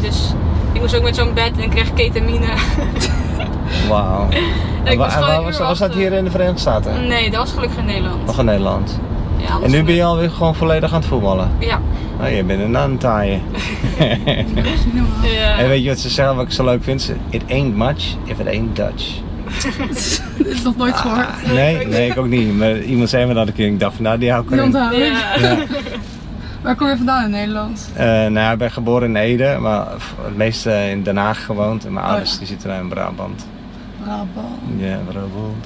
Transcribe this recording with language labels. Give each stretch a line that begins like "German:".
Dutch: Dus ik moest ook met zo'n bed en kreeg ketamine. Wauw. Was dat hier in de Verenigde Staten? Nee, dat was gelukkig in Nederland. Nog in Nederland. Ja, en nu ben je alweer gewoon volledig aan het voetballen? Ja. Oh, je bent een naantaaie. Ja. En weet je wat ze zelf ook zo leuk vindt?
English: It ain't much if it ain't Dutch.
Dutch: Dat is nog nooit gehoord. Nee, ik ook niet. Maar iemand zei me dat ik dacht van die hou ik erin. Ja. Waar kom je vandaan in Nederland? Ik ben geboren in Ede, maar het meeste in Den Haag gewoond. En mijn ouders die zitten in Brabant. Brabant.